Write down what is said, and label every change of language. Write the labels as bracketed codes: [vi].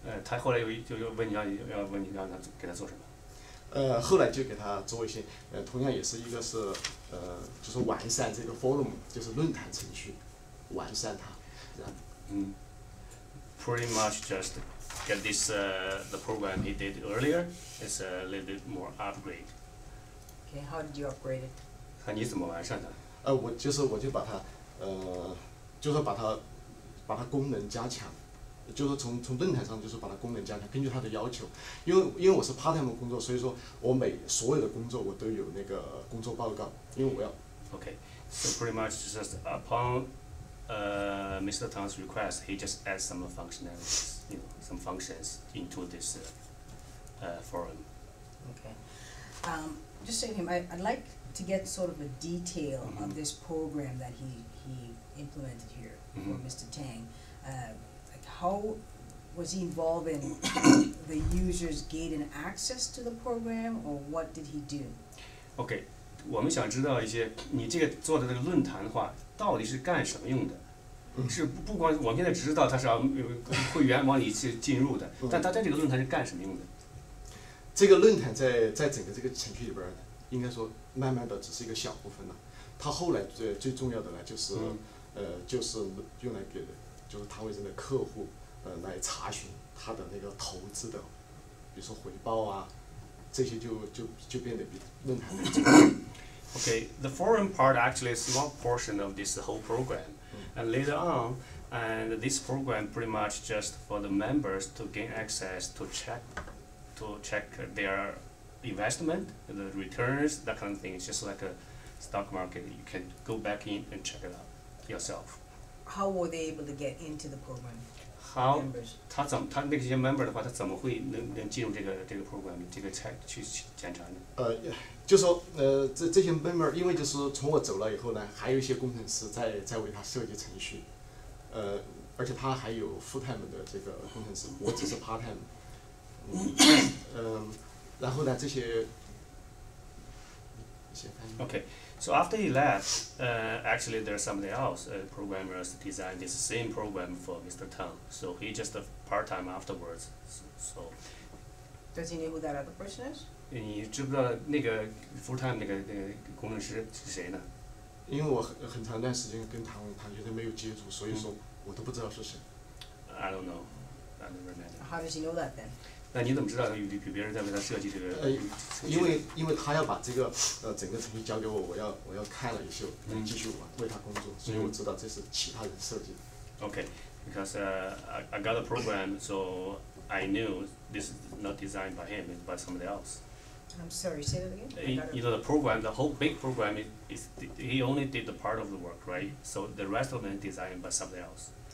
[zh] 他后来又问你要问你让他给他做什么？后来就给他做一些，同样也是一个是，就是完善这个 forum， 就是论坛程序，完善它， [en] Pretty much just get this the program he did earlier is a little bit more upgrade. Okay, how did you upgrade it? [zh] 你怎么完善的？我就把它，就是把它功能加强。就是从论坛上，就是把它功能加强，根据他的要求，因为我是 part time 工作，所以说我每所有的工作我都有那个工作报告，因为我要。 [en] Okay, so pretty much just upon Mr. Tang's request, he just adds some functionalities, you know, some functions into this forum. Okay, just saying, I'd like to get sort of a detail of this program that he implemented here for Mr. Tang. How was he involved in the users gaining access to the program, or what did he do? [zh] Okay, 我们想知道一些你这个做的那个论坛的话，到底是干什么用的？是不光我们现在只知道它是会员往里去进入的，但它在这个论坛是干什么用的？这个论坛在整个这个程序里边应该说慢慢的只是一个小部分了。他后来最重要的呢，就是、嗯、就是用来给就是唐伟珍的客户来查询他的那个投资的，比如说回报啊，这些就变得比论坛更重要。 [en] Okay, the forum part actually is a small portion of this whole program, and later on, and this program pretty much just for the members to gain access to check their investment, the returns, that kind of thing. It's just like a stock market. You can go back in and check it out yourself. How were they able to get into the program? How members? [zh] 他那些 member 的话，他怎么会能进入这个 program 这个 check 去检查呢？就说这些 member， 因为就是从我走了以后呢，还有一些工程师在为他设计程序，而且他还有 full time 的这个工程师，我只是 part time。然后呢，这些 [en] Okay, so after he left, actually there's somebody else, programmers designed this same program for Mr. Tang. So he just a part-time afterwards. So does he know who that other person is? [zh] 你知不知道那个 full-time 那个工程师是谁呢？因为我很长一段时间跟唐先生没有接触，所以说我都不知道是谁。 [en] I don't know. I never met him. How does he know that then? [zh] 那你怎么知道有别人在为他设计这个？因为他要把这个整个程序交给我，我要看了一宿，嗯，继续为他工作，所以我知道这是其他人设计的。 [en] Okay, because I got a program, so I knew this is not designed by him, it's by somebody else. I'm sorry, say that again. You know the program, the whole big program is he only did the part of the work, right? So the rest of them designed by somebody else.